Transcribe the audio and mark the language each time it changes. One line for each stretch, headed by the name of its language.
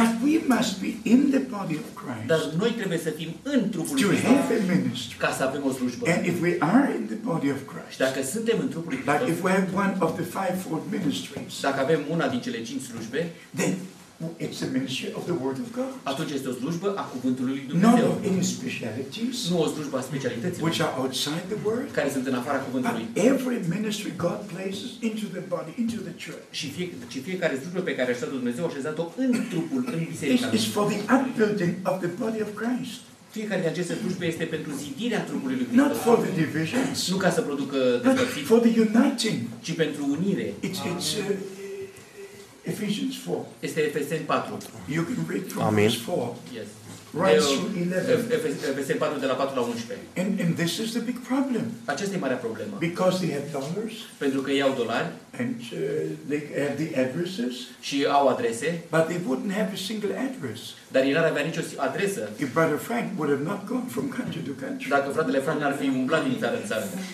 English: But we must be in the body of Christ.
Romanian: Dar noi trebuie să fim în trupul lui Hristos.
English: To have a ministry.
Romanian: Ca să avem o slujbă.
English: And if we are in the body of Christ.
Romanian: Dacă suntem în trupul lui Hristos.
English: Like if we have one of the fivefold ministries.
Romanian: Dacă avem una din cele cinci slujbe.
English: Then it's the ministry of the word of God.
Romanian: Atunci este o slujbă a cuvântului lui Dumnezeu.
English: No, any specialities.
Romanian: Nu o slujbă a specialității.
English: Which are outside the word.
Romanian: Care sunt în afara cuvântului.
English: But every ministry God places into the body, into the church.
Romanian: Și fiecare slujbă pe care a stat Dumnezeu a așezat-o în trupul, în biserica.
English: It's for the upbuilding of the body of Christ.
Romanian: Fiecare din aceste slujbe este pentru zidirea trupului lui Hristos.
English: Not for the divisions.
Romanian: Nu ca să producă despărțiri.
English: For the uniting.
Romanian: Ci pentru unire.
English: It's Ephesians 4.
Romanian: Este Efeseni 4.
English: You can read from Ephesians 4. Yes. Right through 11.
Romanian: Efeseni 4 de la 4 la 11.
English: And this is the big problem.
Romanian: Aceasta e marea problemă.
English: Because they have dollars.
Romanian: Pentru că ei au dolari.
English: And they have the addresses.
Romanian: Și au adrese.
English: But they wouldn't have a single address.
Romanian: Dar ei n-ar avea nicio adresă.
English: If Brother Frank would have not gone from country to country.
Romanian: Dacă fratele Frank n-ar fi umblat din țară în țară.